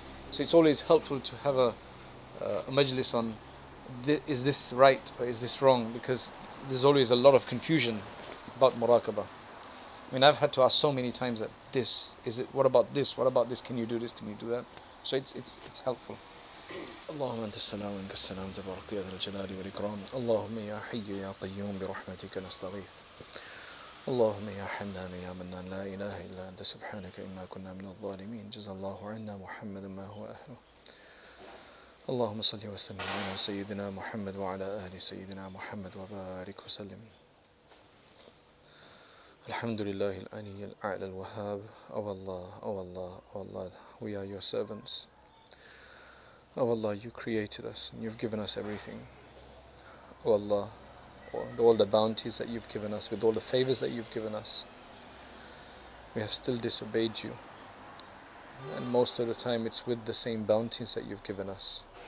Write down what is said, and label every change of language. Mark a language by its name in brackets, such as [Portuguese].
[English] So it's always helpful to have a majlis on is this right or is this wrong, because there's always a lot of confusion about muraqabah. I mean, I've had to ask so many times that this, is it, what about this, what about this, can you do this, can you do that? So it's helpful. [Arabic] اللهم أنت السلام منك السلام تبارك يا ذا الجلال والإكرام اللهم يا حي يا قيوم برحمتك نستغيث اللهم يا حنان يا منان لا إله إلا أنت سبحانك إنا كنا من الظالمين جزا الله عنا محمد ما هو أهله اللهم صل وسلم على سيدنا محمد وعلى أهل سيدنا محمد وبارك وسلم الحمد لله الأني الأعلى الوهاب أو الله [English] we are your servants. Oh Allah, you created us and you've given us everything. Oh Allah, all the bounties that you've given us, with all the favors that you've given us, we have still disobeyed you. And most of the time it's with the same bounties that you've given us.